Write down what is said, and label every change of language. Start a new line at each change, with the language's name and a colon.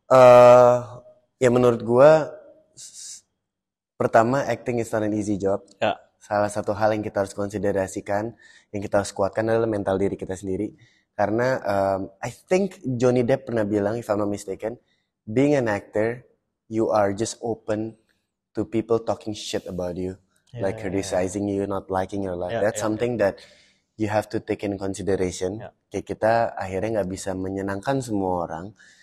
Indonesian: Ya menurut gue, pertama
English: acting is not an easy job.
Indonesian: Salah satu hal yang kita harus konsiderasikan, yang kita harus kuatkan adalah mental diri kita sendiri.
English: Karena I think Johnny Depp
Indonesian: pernah bilang,
English: if I'm not mistaken, being an actor, you are just open to people talking shit about you, like criticizing you, not liking your life. That's something that you have to take in consideration.
Indonesian: Kayak kita akhirnya gak bisa menyenangkan semua orang.